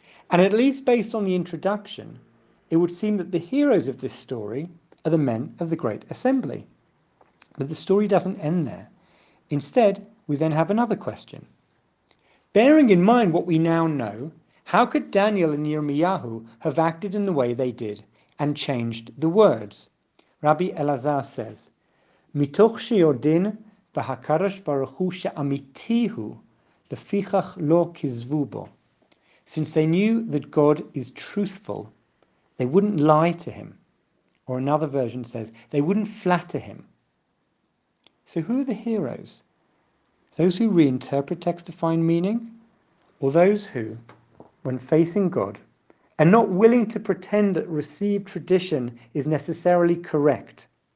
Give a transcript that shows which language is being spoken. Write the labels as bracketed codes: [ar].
[en] And at least based on the introduction, it would seem that the heroes of this story are the men of the Great Assembly. But the story doesn't end there. Instead, we then have another question. Bearing in mind what we now know, how could Daniel and Yirmiyahu have acted in the way they did and changed the words? [he] Rabbi Elazar says, מתוך שיודעין בהקדש ברוך הוא שאמיתי הוא, לפיכך לא כזבו בו. [en] Since they knew that God is truthful, they wouldn't lie to him. Or another version says, they wouldn't flatter him. So who are the heroes? Those who reinterpret text to find meaning? Or those who, when facing God, are not willing to pretend that received tradition is necessarily correct?